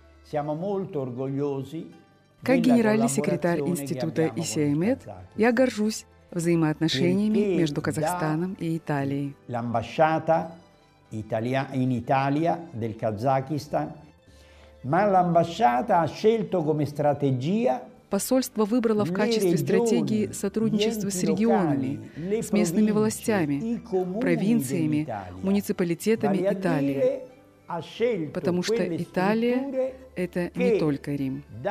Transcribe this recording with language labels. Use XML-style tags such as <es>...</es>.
<ru>Как генеральный секретарь института ECIMED, я горжусь взаимоотношениями между Казахстаном и Италией.</ru> <it>L'ambasciata in Italia del Kazakistan, ma l'ambasciata ha scelto come strategia.</it> <ru>Посольство выбрало в качестве стратегии сотрудничество с регионами, с местными властями, провинциями, муниципалитетами Италии, потому что Италия – это не только Рим.</ru>